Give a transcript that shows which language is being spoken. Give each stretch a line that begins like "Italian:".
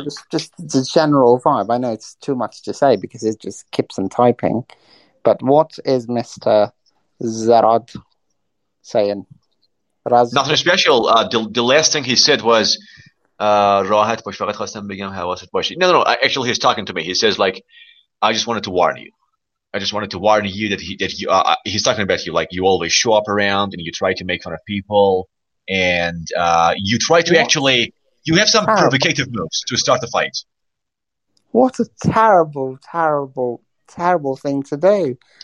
English: Just the general vibe. I know it's too much to say because it just keeps on typing. But what is Mr. Zarad saying? Nothing special. The last thing he said was
Persian: راحت باش، فقط خواستم بگم حواست باش.
English: No, actually he's talking to me. He says like, I just wanted to warn you. I just wanted to warn you that he's talking about you. Like you always show up around and you try to make fun of people and you try to actually, you have some provocative moves to start the fight. What a terrible, terrible, terrible thing to do.